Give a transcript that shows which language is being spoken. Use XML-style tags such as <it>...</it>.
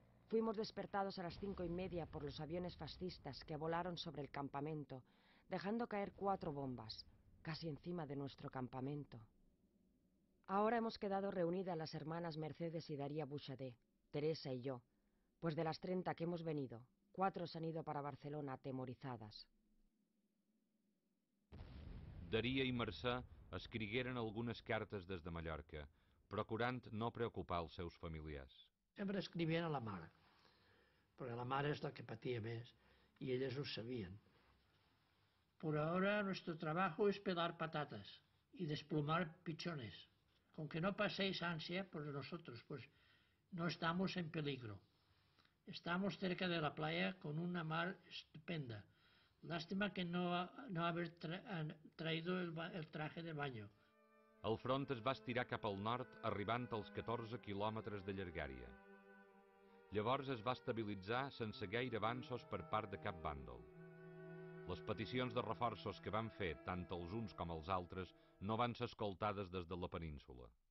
<es>Fuimos despertados a las 5:30 por los aviones fascistas que volaron sobre el campamento, dejando caer 4 bombas. casi encima de nuestro campamento. Ahora hemos quedado reunidas las hermanas Mercedes y Daría Bouchardé, Teresa y yo, pues de las 30 que hemos venido, 4 se han ido para Barcelona atemorizadas.</es> <ca>Daría i Mercè escrigueren algunes cartes des de Mallorca, procurant no preocupar els seus familiars. Sempre escrivien a la mare, perquè la mare és la que patia més, i elles ho sabien.</ca> <es>Por ahora nuestro trabajo es pelar patatas y desplumar pichones. Con que no paséis ansia por nosotros, pues no estamos en peligro. Estamos cerca de la playa con una mar estupenda. Lástima que no haber traído el traje de baño.</es> <ca>El front es va estirar cap al nord, arribant als 14 quilòmetres de llargària. Llavors es va estabilitzar sense gaire avanços per part de cap bàndol. Les peticions de reforços que van fer, tant els uns com els altres, no van ser escoltades des de la península.</ca>